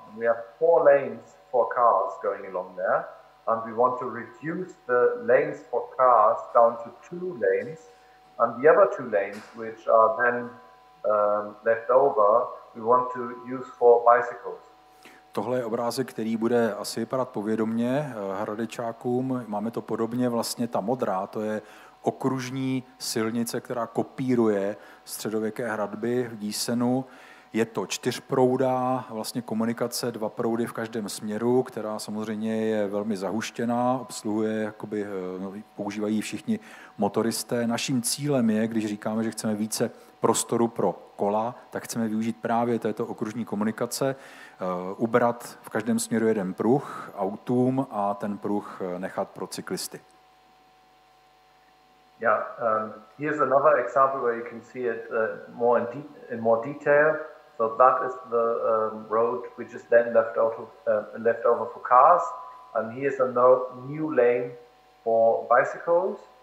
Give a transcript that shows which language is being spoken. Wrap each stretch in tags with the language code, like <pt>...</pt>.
<en>We have four lanes for cars going along there. And we want to reduce the lanes for cars down to two lanes, and the other two lanes, which are then left over, we want to use for bicycles.</en> <cs>Tohle je obrázek, který bude asi vypadat povědomně Hradečákům. Máme to podobně, vlastně ta modrá, to je okružní silnice, která kopíruje středověké hradby v Gießenu. Je to čtyřproudá vlastně komunikace, dva proudy v každém směru, která samozřejmě je velmi zahuštěná, obsluhuje, jakoby, používají všichni motoristé. Naším cílem je, když říkáme, že chceme více prostoru pro kola, tak chceme využít právě této okružní komunikace, ubrat v každém směru jeden pruh autům a ten pruh nechat pro cyklisty.</cs> <en>Yeah, here's another example where you can see it more in detail. So that is the road which is then left over for cars, and here's a new lane for bicycles.</en>